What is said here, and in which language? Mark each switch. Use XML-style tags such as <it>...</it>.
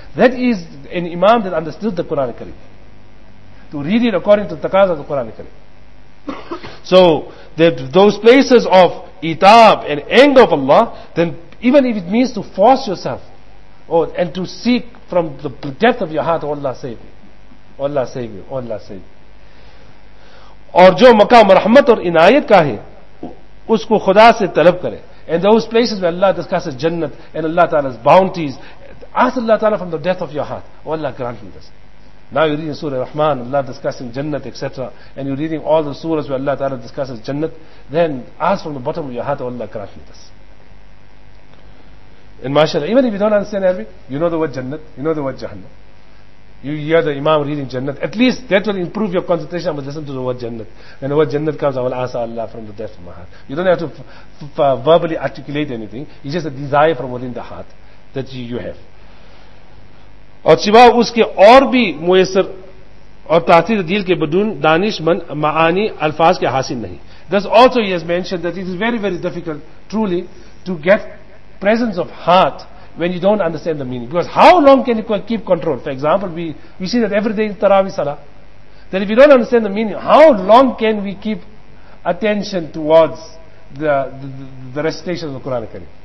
<en>That is an imam that understood the Quran al-Kareem. To read it according to the taqaza of the Quran al-Kareem. So that those places of itab and anger of Allah, then even if it means to force yourself and to seek from the depth of your heart, Allah save you, Allah save you, Allah save you.</en> <ur>اور جو مقام رحمت اور عنایت کا ہے اس کو خدا سے طلب کرے.</ur> <en>And those places where Allah discusses Jannat and Allah Ta'ala's bounties, ask Allah Ta'ala from the depth of your heart, oh Allah grant me this. Now you're reading Surah Rahman, Allah discussing Jannat, etc. And you're reading all the surahs where Allah Ta'ala discusses Jannat, then ask from the bottom of your heart, oh Allah grant me this. And mashallah, even if you don't understand Arabic, you know the word Jannat, you know the word Jahannam. You hear the Imam reading Jannat, at least that will improve your concentration and listen to the word Jannat. When the word Jannat comes, I will ask Allah from the depth of my heart. You don't have to verbally articulate anything, it's just a desire from within the heart that you have.</en> <ur>اور سوا اس کے اور بھی مؤثر اور تاثیر دل کے بدون دانش من معانی الفاظ کے حاصل نہیں.</ur> <en>Thus also he has mentioned that it is very very difficult truly to get presence of heart when you don't understand the meaning. Because how long can you keep control? For example, we see that every day in Tarawih Salah, that if you don't understand the meaning, how long can we keep attention towards the recitation of the Quran al-Karim?</en>